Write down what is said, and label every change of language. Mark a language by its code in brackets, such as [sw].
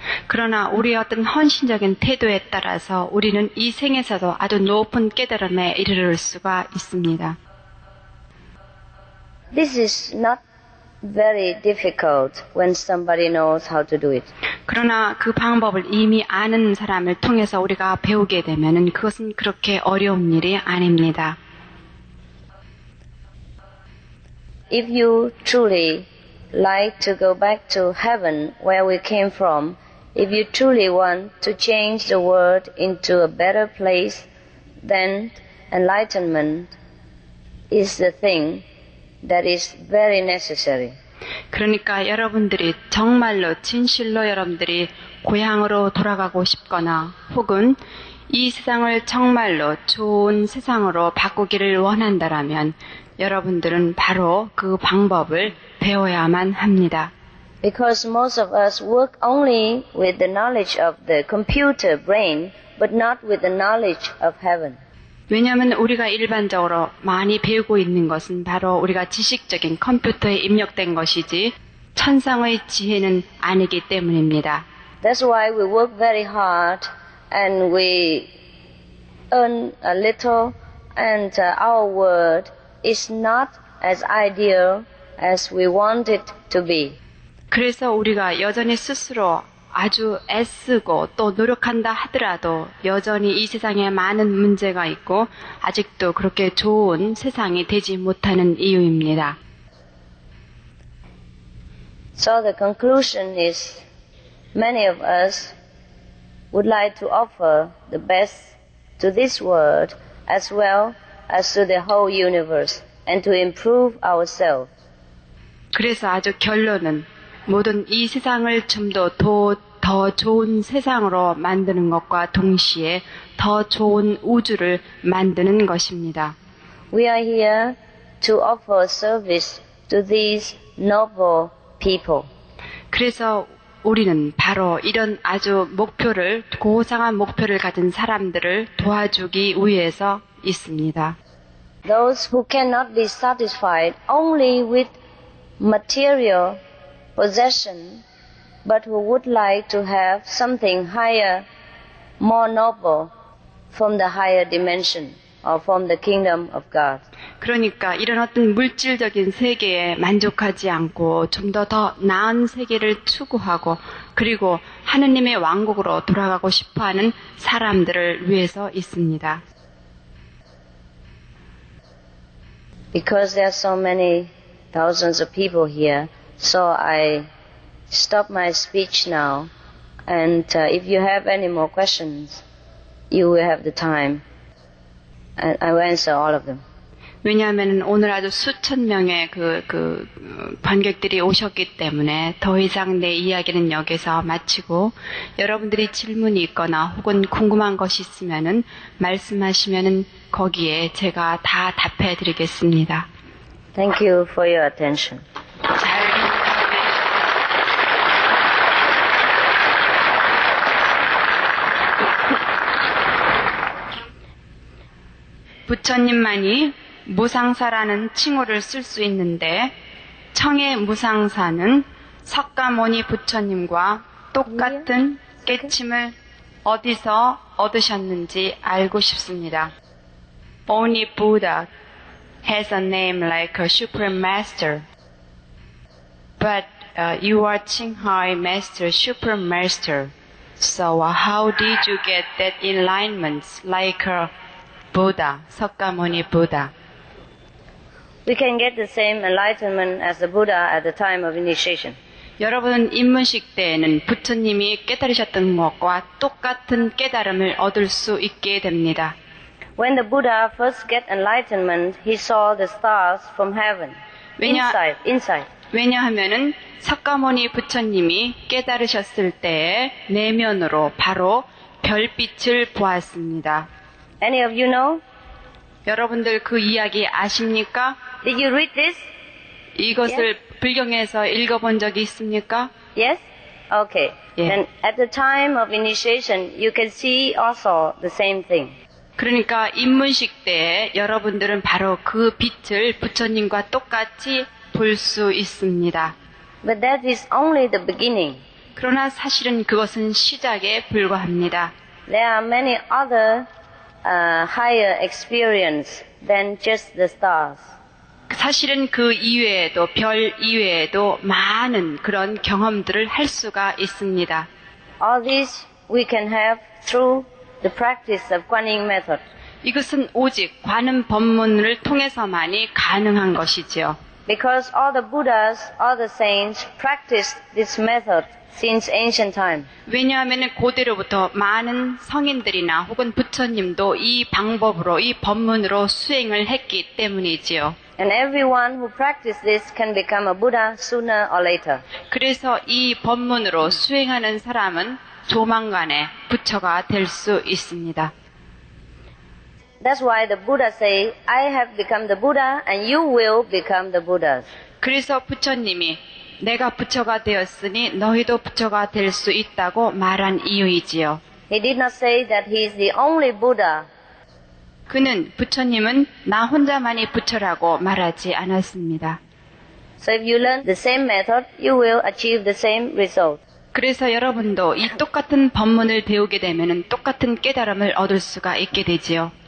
[ko] 그러나 우리의 어떤 헌신적인 태도에 따라서 우리는 이 생에서도 아주 높은 깨달음에 이르를 수가 있습니다. [en] This is not very difficult when somebody knows how to do it. [ko] 그러나 그 방법을 이미 아는 사람을 통해서 우리가 배우게 되면 그것은 그렇게 어려운 일이 아닙니다. [en] If you truly like to go back to heaven where we came from, if you truly want to change the world into a better place, then enlightenment is the thing that is very necessary. [ko] 그러니까 여러분들이 정말로 진실로 여러분들이 고향으로 돌아가고 싶거나 혹은 이 세상을 정말로 좋은 세상으로 바꾸기를 원한다라면 여러분들은 바로 그 방법을 배워야만 합니다. [en] Because most of us work only with the knowledge of the computer brain, but not with the knowledge of heaven. [ko] 왜냐하면 우리가 일반적으로 많이 배우고 있는 것은 바로 우리가 지식적인 컴퓨터에 입력된 것이지 천상의 지혜는 아니기 때문입니다. [en] That's why we work very hard and we earn a little and our world is not as ideal as we want it to be. [ko] 그래서 우리가 여전히 스스로 아주 애쓰고 또 노력한다 하더라도 여전히 이 세상에 많은 문제가 있고 아직도 그렇게 좋은 세상이 되지 못하는 이유입니다. [en] So the conclusion is many of us would like to offer the best to this world as well as to the whole universe and to improve ourselves. [ko] 그래서 아주 결론은 모든 이 세상을 좀 더 좋은 세상으로 만드는 것과 동시에 더 좋은 우주를 만드는 것입니다. [en] We are here to offer service to these noble people. [ko] 그래서 우리는 바로 이런 아주 목표를 고상한 목표를 가진 사람들을 도와주기 위해서 있습니다. [en] Those who cannot be satisfied only with material possession, but who would like to have something higher, more noble from the higher dimension or from the kingdom of God. [ko] 그러니까 이런 어떤 물질적인 세계에 만족하지 않고 좀 더 나은 세계를 추구하고 그리고 하느님의 왕국으로 돌아가고 싶어하는 사람들을 위해서 있습니다. [en] Because there are so many thousands of people here, so I stop my speech now, and if you have any more questions, you will have the time, and I will answer all of them. [ko] 왜냐하면 오늘 아주 수천 명의 그 관객들이 오셨기 때문에 더 이상 내 이야기는 여기서 마치고 여러분들이 질문이 있거나 혹은 궁금한 것이 있으면은 말씀하시면은 거기에 제가 다 답해 드리겠습니다. [en] Thank you for your attention. [ko] (웃음) 부처님만이 무상사라는 칭호를 쓸 수 있는데 청의 무상사는 석가모니 부처님과 똑같은 깨침을 어디서 얻으셨는지 알고 싶습니다. [en] Only Buddha has a name like a supreme master. But you are Qinghai master, supreme master. So how did you get that enlightenment like a Buddha, 석가모니 Buddha? We can get the same enlightenment as the Buddha at the time of initiation. [ko] 여러분 입문식 때에는 부처님이 깨달으셨던 것과 똑같은 깨달음을 얻을 수 있게 됩니다. [en] When the Buddha first get enlightenment, he saw the stars from heaven. Inside. [ko] 왜냐하면은 석가모니 부처님이 깨달으셨을 때에 내면으로 바로 별빛을 보았습니다. [en] Any of you know? [ko] 여러분들 그 이야기 아십니까? [en] Did you read this? [ko] 이것을 yes? 불경에서 읽어본 적이 있습니까? [en] Yes? Okay. Yeah. And at the time of initiation, you can see also the same thing. [ko] 그러니까 입문식 때 여러분들은 바로 그 빛을 부처님과 똑같이 볼 수 있습니다. [en] But that is only the beginning. [ko] 그러나 사실은 그것은 시작에 불과합니다. [en] There are many other higher experience than just the stars. [ko] 사실은 그 이외에도 별 이외에도 많은 그런 경험들을 할 수가 있습니다. [en] All these we can have through the practice of Guanyin method. [ko] 이것은 오직 관음 법문을 통해서만이 가능한 것이지요. [en] Because all the Buddhas, all the saints practiced this method. Since ancient time. [ko] 왜냐하면 고대로부터 많은 성인들이나 혹은 부처님도 이 방법으로 이 법문으로 수행을 했기 때문이지요. [en] And everyone who practices this can become a Buddha sooner or later. [ko] 그래서 이 법문으로 수행하는 사람은 조만간에 부처가 될 수 있습니다. [en] That's why the Buddha say, I have become the Buddha and you will become the Buddhas. [ko] 그래서 부처님이 내가 부처가 되었으니 너희도 부처가 될 수 있다고 말한 이유이지요. [en] He did not say that he is the only Buddha. [ko] 그는 부처님은 나 혼자만이 부처라고 말하지 않았습니다. [en] So if you learn the same method, you will achieve the same result. [ko] 그래서 여러분도 이 똑같은 법문을 배우게 되면은 똑같은 깨달음을 얻을 수가 있게 되지요.